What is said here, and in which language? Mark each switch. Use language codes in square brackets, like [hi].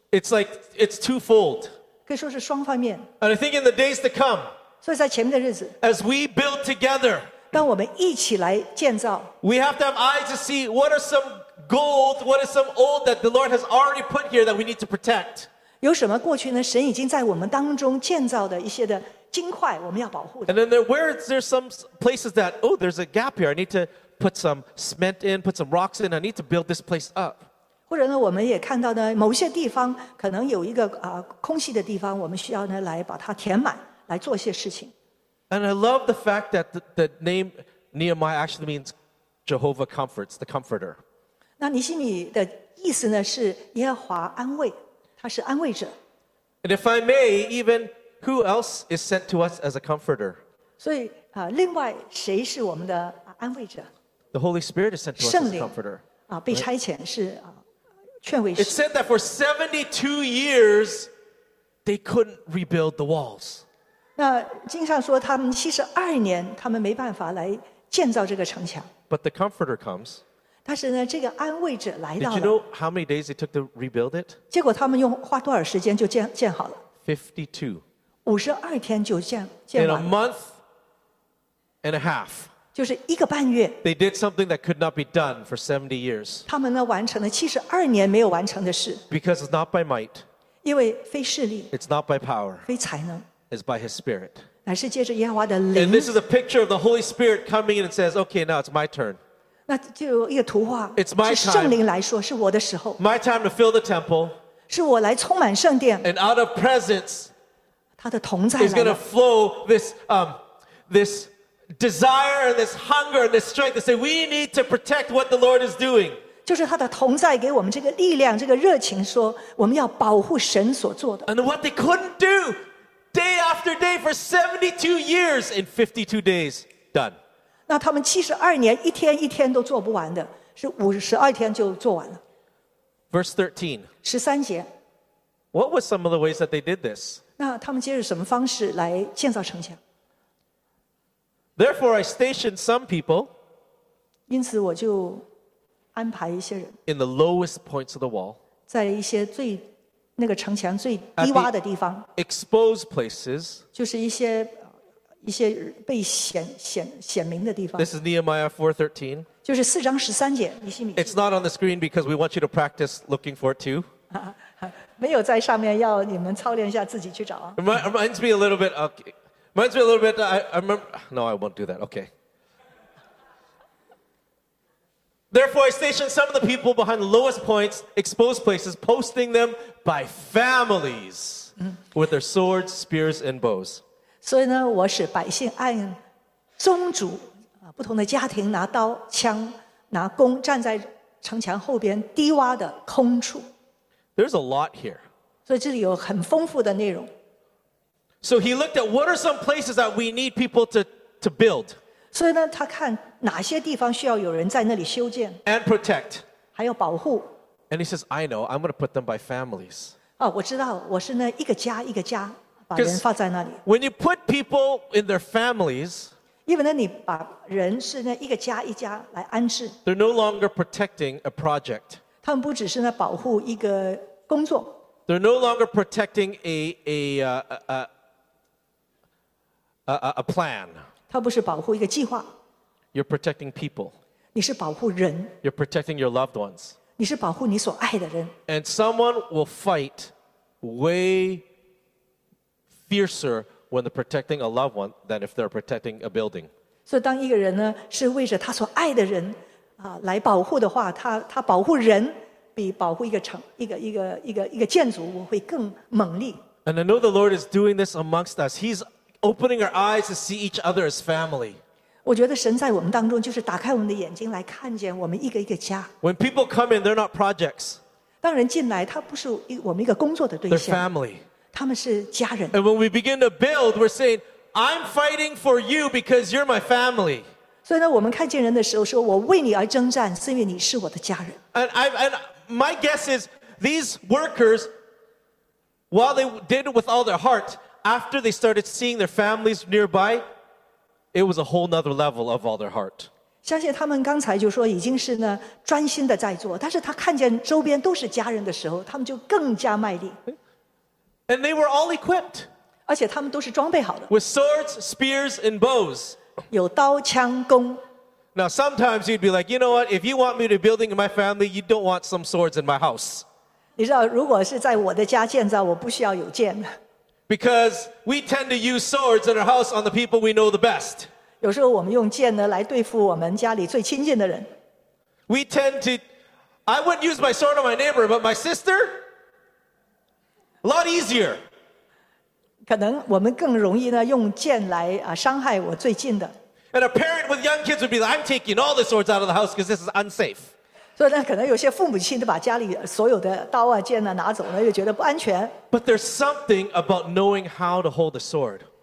[en] It's like, it's twofold. [zh] 可以说是双方面。 [en] And I think in the days to come, [zh] 所以在前面的日子, [en] as we build together, [zh] 当我们一起来建造, [en] we have to have eyes to see what are some gold, what is some old that the Lord has already put here that we need to protect. [zh] 有什么过去呢神已经在我们当中建造的一些的金块我们要保护的。 [en] And then there, where is there some places that, oh, there's a gap here. I need to put some cement in, put some rocks in. I need to build this place up. [zh] 或者呢我们也看到呢某些地方可能有一个空隙的地方我们需要呢来把它填满来做些事情。 [en] And I love the fact that the name Nehemiah actually means Jehovah comforts, the comforter. [zh] 那尼希米的意思呢是耶和华安慰。他是安慰者。 [en] And if I may, even who else is sent to us as a comforter? [zh] 所以另外谁是我们的安慰者？ [en] The Holy Spirit is sent to us as a comforter. [zh] 被差遣是劝慰师。 [en] It said that for 72 years, they couldn't rebuild the walls. [zh] 那经上说他们72年他们没办法来建造这个城墙。 [en] But the comforter comes. [zh] 但是呢这个安慰者来到了。 [en] Did you know how many days it took to rebuild it? [zh] 结果他们用花多少时间就 建好了。 [en] 52. [zh] 52天就 建完了。 [en] In a month and a half. [zh] 就是一个半月。 [en] They did something that could not be done for 70 years. [zh] 他们呢完成了72年没有完成的事。 [en] Because it's not by might. [zh] 因为非势力。 [en] It's not by power. [zh] 非才能。 [en] It's by his spirit. [zh] 乃是借着耶和华的灵。 [en] And this is a picture of the Holy Spirit coming in and says, okay, now it's my turn. [zh] 那就有一个图画 [en] It's my [zh] 是圣灵来说是我的时候 [en] my time to fill the temple, [zh] 是我来充满圣殿 [en] and out of presence, [zh] 他的同在来了 [en] is going to flow this, this desire and this hunger and this strength to say we need to protect what the Lord is doing [zh] 就是他的同在给我们这个力量这个热情说我们要保护神所做的 [en] and what they couldn't do day after day for 72 years in 52 days done [zh] 那他们72年一天一天都做不完的是52天就做完了 [en] Verse 13 [zh] 13节 [en] What were some of the ways that they did this? [zh] 那他们接着什么方式来建造城墙 [en] Therefore I stationed some people [zh] 因此我就安排一些人 [en] In the lowest points of the wall [zh] 在一些最那个城墙最低洼的地方 [en] Exposed places [zh] 就是一些一些被显明的地方。 [en] This is Nehemiah 4:13. [zh] 就是四章十三节，尼希米。 [en] It's not on the screen because we want you to practice looking for it too. [zh] 没有在上面，要你们操练一下自己去找。 [en] Reminds me a little bit. Okay. Reminds me a little bit. I remember. No, I won't do that. Okay. Therefore, I stationed some of the people behind the lowest points, exposed places, posting them by families with their swords, spears, and bows. [zh] 所以呢，我使百姓按宗族不同的家庭拿刀、枪、拿弓，站在城墙后边低洼的空处。 [en] There's a lot here. [zh] 所以这里有很丰富的内容。 [en] So he looked at what are some places that we need people to build. [zh] 所以呢，他看哪些地方需要有人在那里修建。 [en] And protect. [zh] 还要保护。 [en] And he says, I know, I'm going to put them by families. [zh] 哦，我知道，我是那一个家一个家。 [en] Because when you put people in their families, [zh] 因为呢，你把人是那一个家一家来安置。 [en] They're no longer protecting a project. [zh] 他们不只是在保护一个工作。 [en] They're no longer protecting a plan. [zh] 他不是保护一个计划。 [en] You're protecting people. [zh] 你是保护人。 [en] You're protecting your loved ones. [zh] 你是保护你所爱的人。 [en] And someone will fight way. Fiercer when they're protecting a loved one than if they're protecting a building. [zh] So, 当一个人呢是为着他所爱的人啊来保护的话，他保护人比保护一个城一个建筑物会更猛烈。 [en] And I know the Lord is doing this amongst us. He's opening our eyes to see each other as family. [zh] 我觉得神在我们当中就是打开我们的眼睛来看见我们一个一个家。 [en] When people come in, they're not projects. [zh] 当人进来，他不是我们一个工作的对象。 [en] They're family. [zh] 他们是家人。 [en] And when we begin to build, we're saying, I'm fighting for you because you're my family. [zh] 所以呢，我们看见人的时候，说我为你而征战，是因为你是我的家人。 [en] And my guess is these workers, while they did it with all their heart, after they started seeing their families nearby. It was a whole nother level of all their heart. [zh] 相信他们刚才就说已经是呢专心的在做，但是他看见周边都是家人的时候，他们就更加卖力。 [en] And they were all equipped. [zh] 而且他们都是装备好的。 [en] With swords, spears, and bows. [zh] 有刀枪弓。 [en] Now sometimes you'd be like, you know what? If you want me to build in my family, you don't want some swords in my house. [zh] 你知道，如果是在我的家建造，我不需要有剑。 [en] Because we tend to use swords in our house on the people we know the best. [zh] 有时候我们用剑呢来对付我们家里最亲近的人。 [en] We tend to, I wouldn't use my sword on my neighbor, but my sister, a lot easier. [zh] 可能我们更容易呢用剑来伤害我最近的。 [en] And a parent with young kids would be like, I'm taking all the swords out of the house because this is unsafe. [zh] 所以呢，可能有些父母亲都把家里所有的刀啊、剑啊拿走了，又觉得不安全。 [en] But there's something about knowing how to hold a sword.